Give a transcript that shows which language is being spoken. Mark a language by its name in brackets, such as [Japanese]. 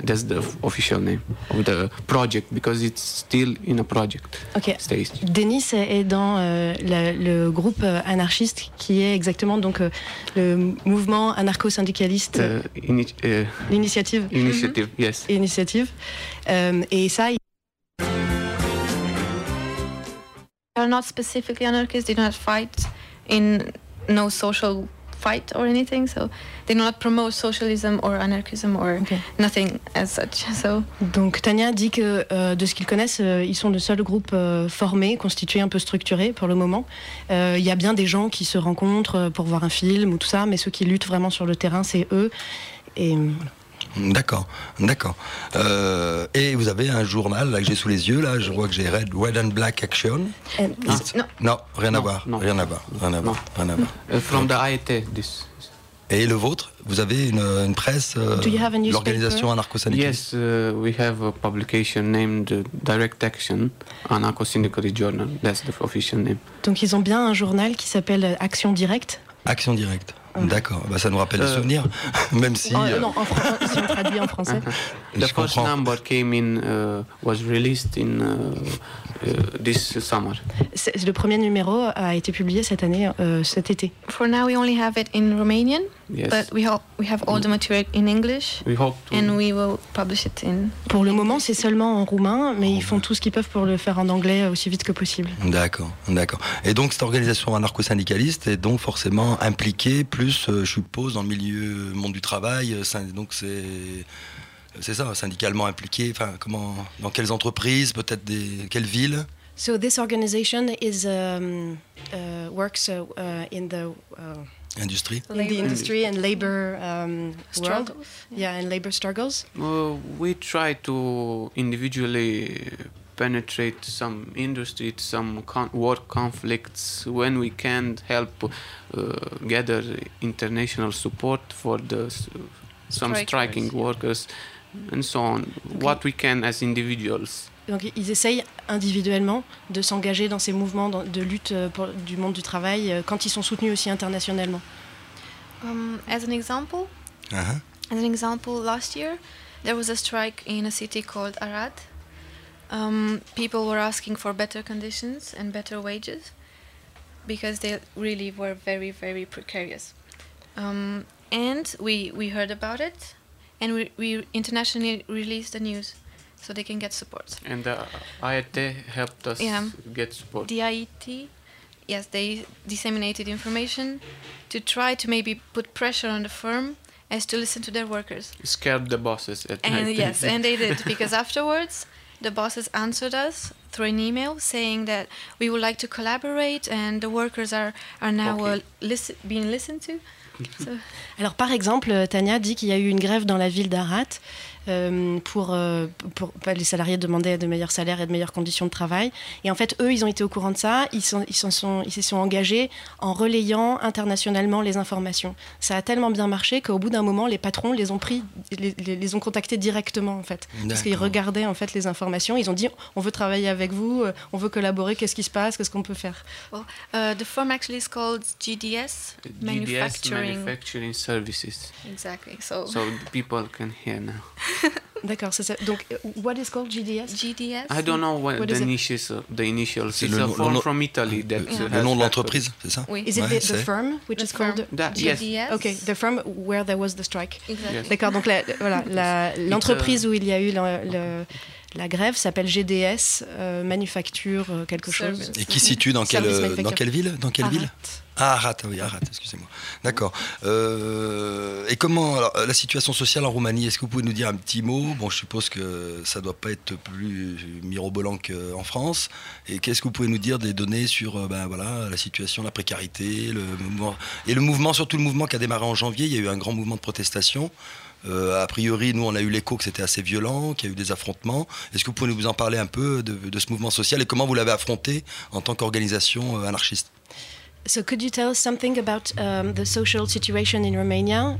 [English] That's the official name of the project, because it's still in a project okay. stage. [French] Denis est dans le groupe anarchiste qui est exactement donc, le mouvement anarcho-syndicaliste. L'initiative. Initiative, mm-hmm. yes. Initiative. Et ça... [English] They are not specifically anarchists. They do not fight in no social fight or anything. So they do not promote socialism or anarchism or okay. nothing as such. So. [French] Donc Tanya dit que de ce qu'ils connaissent, ils sont le seul groupe formé, constitué, un peu structuré pour le moment. Il y a bien des gens qui se rencontrent pour voir un film ou tout ça, mais ceux qui luttent vraiment sur le terrain, c'est eux. Et voilà. D'accord, d'accord. Et vous avez un journal là, que j'ai sous les yeux là. Je vois que j'ai Red and Black Action. Non, non, rien à voir, rien à voir, rien à voir, rien à voir. [English] From the AET, this. [French] Et le vôtre, vous avez une presse, l'organisation anarcho-syndicaliste. [English] Yes, we have a publication named Direct Action, anarcho-syndicalist journal. That's the official name. [French] Donc ils ont bien un journal qui s'appelle Action Directe. Action Directe. D'accord, bah, ça nous rappelle des souvenirs, même si... Non, en français, si on traduit en français. [English] The first number came in, was released in this summer. [French] C'est le premier numéro a été publié cette année, cet été. [English] For now, we only have it in Romanian, yes. but we have all the material in English, we hope to... and we will publish it in... [French] Pour le moment, c'est seulement en roumain, mais ils font tout ce qu'ils peuvent pour le faire en anglais aussi vite que possible. D'accord, d'accord. Et donc, cette organisation anarcho-syndicaliste est donc forcément impliquée plus, je suppose, dans le milieu monde du travail, donc c'est ça, syndicalement impliqué, enfin, comment, dans quelles entreprises, peut-être des, quelles villes. [English] So this organization is works in the industry, in the industry and labor world, yeah, and labor struggles. We try to individually penetrate some industries, some war conflicts, when we can help gather international support for the some striking workers, and so on. Okay. What we can as individuals. Donc ils essayent individuellement de s'engager dans ces mouvements de lutte pour du monde du travail quand ils sont soutenus aussi internationalement. As an example. Uh-huh. As an example, last year there was a strike in a city called Arad. People were asking for better conditions and better wages because they really were very, very precarious. And we heard about it, and we internationally released the news so they can get support. And the IAT helped us get support. The IAT, yes, they disseminated information to try to maybe put pressure on the firm as to listen to their workers. Scared the bosses at and night. Yes, and they did, because afterwards the bosses answered us through an email saying that we would like to collaborate and the workers are now being listened to. So. [French] Alors par exemple, Tania dit qu'il y a eu une grève dans la ville d'Arat pour les salariés demandaient de meilleurs salaires et de meilleures conditions de travail. Et en fait, eux, ils ont été au courant de ça, ils se sont engagés en relayant internationalement les informations. Ça a tellement bien marché qu'au bout d'un moment, les patrons les ont contactés directement, en fait. D'accord. Parce qu'ils regardaient en fait les informations, ils ont dit, on veut travailler avec vous, on veut collaborer, qu'est-ce qui se passe, qu'est-ce qu'on peut faire. [English] The firm actually is called GDS, Manufacturing Services. Exactly. So people can hear now. [French] D'accord, c'est ça. Donc, [English] what is called GDS? GDS? I don't know what the niche is, the initials. [French] C'est [English] it's a firm from Italy. [French] Le nom de l'entreprise, c'est ça? Oui. [English] Is it the firm, which is called GDS? Yes. Okay, the firm where there was the strike. Exactly. Yes. [French] D'accord, donc l'entreprise où il y a eu la grève s'appelle GDS, manufacture quelque chose. Et qui situe dans quelle ville, Arat, oui, Arat, excusez-moi. D'accord. Et comment, alors, la situation sociale en Roumanie, est-ce que vous pouvez nous dire un petit mot? Bon, je suppose que ça ne doit pas être plus mirobolant qu'en France. Et qu'est-ce que vous pouvez nous dire des données sur la situation, la précarité, le mouvement? Et le mouvement, surtout le mouvement qui a démarré en janvier, il y a eu un grand mouvement de protestation. A priori, nous, on a eu l'écho que c'était assez violent, qu'il y a eu des affrontements. Est-ce que vous pouvez nous en parler un peu de ce mouvement social et comment vous l'avez affronté en tant qu'organisation anarchiste? [English] So could you tell us something about the social situation in Romania?